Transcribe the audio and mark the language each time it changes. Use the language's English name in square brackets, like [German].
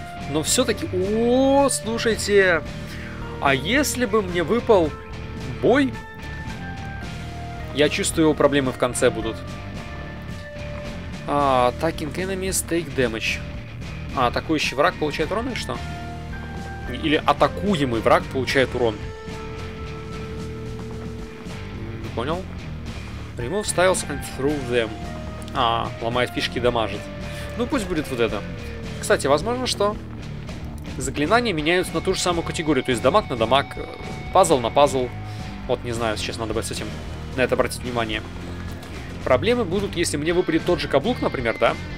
[Russian] Но все-таки, слушайте, а если бы мне выпал бой, я чувствую, его проблемы в конце будут. [English] Attacking enemies take damage. [Russian] А, атакующий враг получает урон или что? Или атакуемый враг получает урон. Не понял. [English] Remove styles and throw them. [Russian] А, ломает фишки и дамажит. Ну пусть будет вот это. Кстати, возможно, что заклинания меняются на ту же самую категорию. То есть дамаг на дамаг, пазл на пазл. Вот не знаю, сейчас надо бы с этим на это обратить внимание. Проблемы будут, если мне выпадет тот же каблук, например, да?